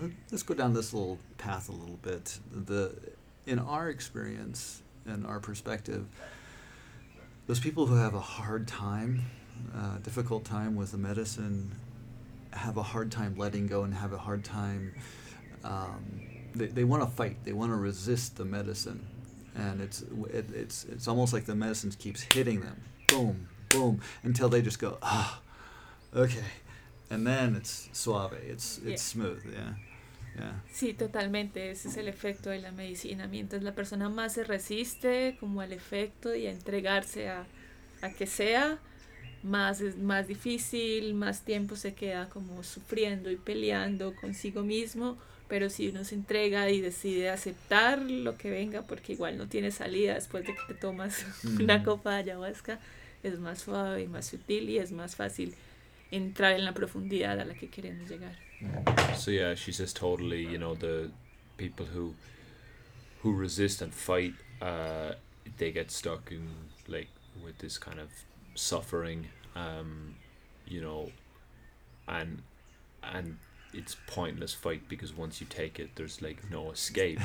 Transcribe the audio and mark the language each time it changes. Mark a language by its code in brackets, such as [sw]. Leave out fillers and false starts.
[en] Let's go down this little path a little bit. In our experience and our perspective, those people who have a hard time, difficult time with the medicine, have a hard time letting go, and have a hard time. They want to fight. They want to resist the medicine, and it's almost like the medicine keeps hitting them, boom, boom, until they just go, ah, okay. And then it's suave, it's smooth, [es] Sí, totalmente, ese es el efecto de la medicina. Mientras la persona más se resiste como al efecto y a entregarse a que sea, más es más difícil, más tiempo se queda como sufriendo y peleando consigo mismo. Pero si uno se entrega y decide aceptar lo que venga, porque igual no tiene salida después de que te tomas una copa de ayahuasca, es más suave y más sutil, y es más fácil entrar en la profundidad a la que queremos llegar. [en] So yeah, she says totally, you know, the people who resist and fight, they get stuck in like with this kind of suffering, you know, and it's pointless fight, because once you take it there's like no escape.